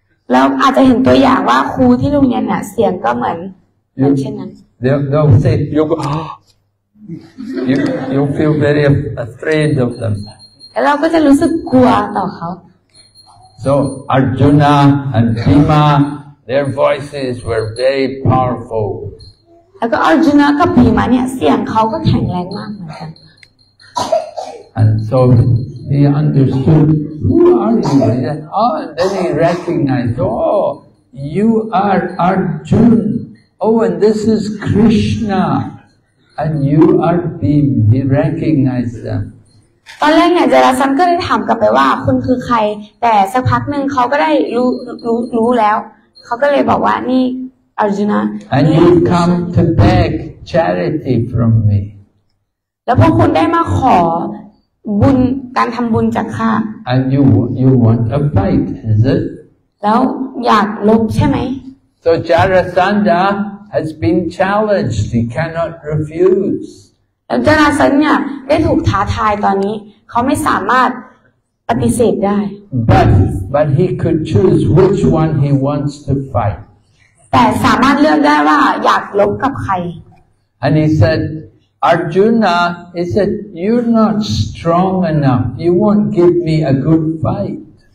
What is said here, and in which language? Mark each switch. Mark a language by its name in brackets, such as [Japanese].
[Thai] แล้วอาจจะเห็นตัวอย่างว่าครูที่โรงเรียนน่ะเสียงก็เหมือนเช่นนั้น [English] They'll say you go you feel very afraid of them. [Thai] แล้วเราก็จะรู้สึกกลัวต่อเขา [English] So Arjuna and Bhima, their voices were very powerful. [Thai] แล้วก็ Arjuna กับ Bhima เนี่ยเสียงเขาก็แข็งแรงมากเหมือนกัน [English] And so he understood, who are you? And then he recognized, oh, you are Arjun Oh, and this is Krishna. And you are Bhim. He recognized them. [Thai] ตอนแรกเนี่ยเจราสันก็เลยถามกลับไปว่าคุณคือใครแต่สักพักนึงเขาก็ได้รู้แล้วเขาก็เลยบอกว่านี่อาร์จุนะ [English] And you come to beg charity from me [Thai] แล้วพวกคุณได้มาขอบุญการทำบุญจากข้า [English] And you want a fight is it [Thai] แล้วอยากลบใช่ไหม [English] So Jarasandha has been challenged he cannot refuse [Thai] แล้วเจราสันเนี่ยได้ถูกท้าทายตอนนี้เขาไม่สามารถปฏิเสธได้ [English] but he could choose which one he wants to fight [Thai] แต่สามารถเลือกได้ว่าอยากลบกับใคร [English] and he said Arjuna he said you're not strong enough you won't give me a good fight